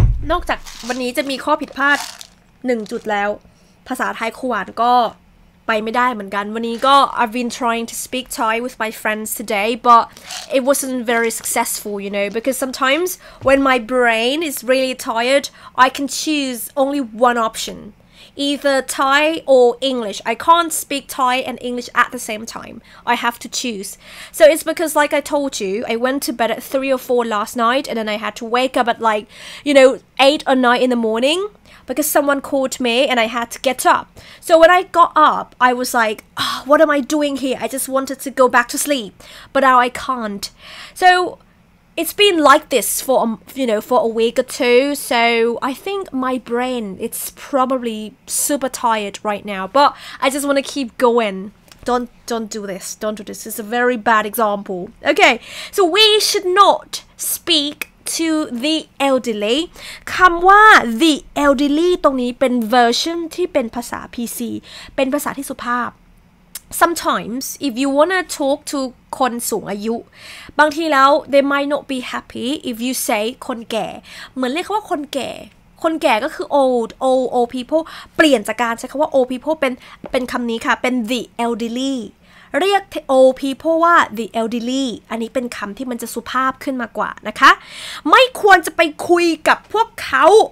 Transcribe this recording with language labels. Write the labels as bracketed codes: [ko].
[th] นอกจากวันนี้จะมีข้อผิดพลาด1จุดแล้วภาษาไทยขวานก็ไปไม่ได้เหมือนกันวันนี้ก็ [en] I've been trying to speak Thai with my friends today but it wasn't very successful you know because sometimes when my brain is really tired I can choose only one optioneither Thai or English. I can't speak Thai and English at the same time. I have to choose. So it's because like I told you, I went to bed at 3 or 4 last night and then I had to wake up at like, you know, 8 or 9 in the morning because someone called me and I had to get up. So when I got up, I was like, oh, what am I doing here? I just wanted to go back to sleep, but now I can't. So it's been like this for, you know, for a week or two. So I think my brain, it's probably super tired right now. But I just want to keep going. Don't do this. Don't do this. It's a very bad example. Okay. So we should not speak to the elderly. [th] คำว่า the elderly ตรงนี้เป็น version ที่เป็นภาษา PC. เป็นภาษาที่สุภาพ [en] Sometimes, if you want to talk to [th] คนสูงอายุบางทีแล้ว [en] they might not be happy if you say [th] คนแก่เหมือนเรียกว่าคนแก่คนแก่ก็คือ old people เปลี่ยนจากการใช้คำว่า old people เป็นคำนี้ค่ะเป็น the elderly เรียก old people ว่า the elderly อันนี้เป็นคำที่มันจะสุภาพขึ้นมากว่านะคะไม่ควรจะไปคุยกับพวกเขา